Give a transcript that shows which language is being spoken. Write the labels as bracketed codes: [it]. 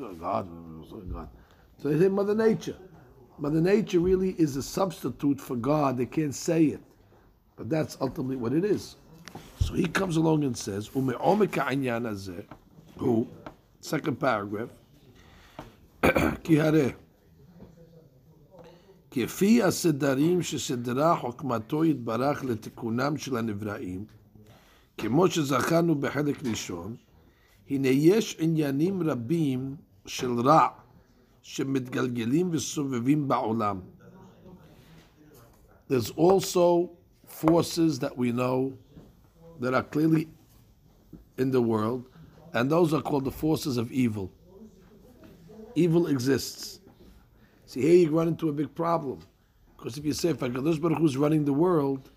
[en] Oh, God, oh, God. So they say Mother Nature. Mother Nature really is a substitute for God. They can't say it. But that's ultimately what it is. So he comes along and says, [he] Ume'omeka anyan azeh, [en] who, second paragraph, ki hareh. [he] כפי הסדרים שסדרה חוכמתו יתברך לתיקונם של הנבראים, כמו שזכרנו בחלק ראשון, הנה יש עניינים רבים של רע שמתגלגלים וסובבים בעולם. [en] There's also forces that we know that are clearly in the world, and those are called the forces of evil. Evil exists. See, here you run into a big problem. Because if you say, if HaKadosh Baruch Hu is running the world,